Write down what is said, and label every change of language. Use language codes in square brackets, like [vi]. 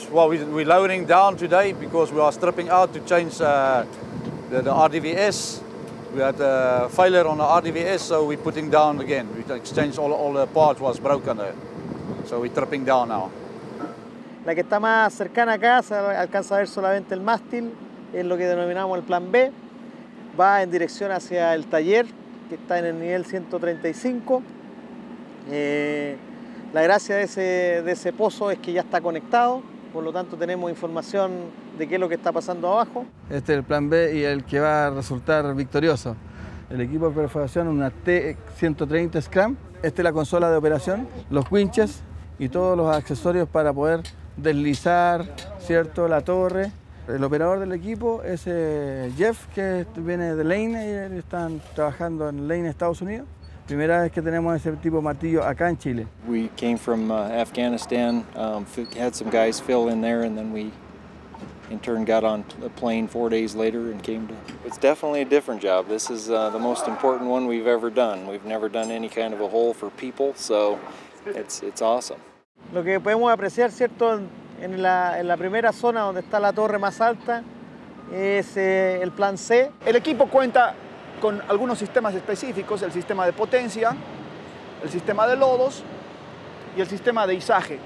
[en] Well, we're lowering down today because we are stripping out to change the RDVS. We had a failure on the RDVS, so we're putting down again. We exchanged all the parts was broken there. So we're tripping down now. [es] La que está más cercana acá, se alcanza a ver solamente el mástil, es lo que denominamos el plan B. Va en dirección hacia el taller, que está en el nivel 135. La gracia de ese pozo es que ya está conectado, por lo tanto tenemos información de qué es lo que está pasando abajo. Este es el plan B y el que va a resultar victorioso. El equipo de perforación, una T-130 Scram. Esta es la consola de operación, los winches y todos los accesorios para poder deslizar, ¿cierto?, la torre. El operador del equipo es Jeff, que viene de Lane, y están trabajando en Lane, Estados Unidos. Primera vez que tenemos ese tipo de martillo acá en Chile. [en] We came from Afghanistan, had some guys fill in there, and then we in turn got on a plane 4 days later and came to... It's definitely a different job. This is the most important one we've ever done. We've never done any kind of a hole for people, so it's awesome. [es] Lo que podemos apreciar, ¿cierto?, en la primera zona donde está la torre más alta, es el plan C. El equipo cuenta con algunos sistemas específicos, el sistema de potencia, el sistema de lodos y el sistema de izaje.